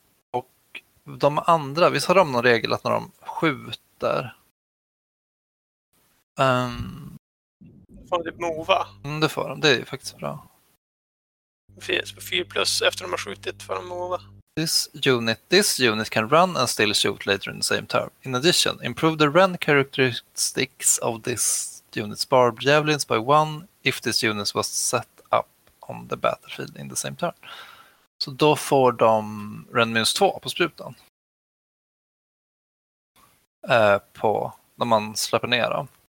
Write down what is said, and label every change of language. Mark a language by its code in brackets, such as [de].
[sv] Och de andra, visst har de någon regel att när de skjuter... Får de typ mova? Det får de, det är faktiskt bra. 4+, efter de har skjutit får de mova. [en] This unit can run and still shoot later in the same turn. In addition, improve the run characteristics of this unit's barbed javelins by 1 if this unit was set up on the battlefield in the same turn. [sv] Så då får de run minus 2 på sprutan. På när man släpper ner dem.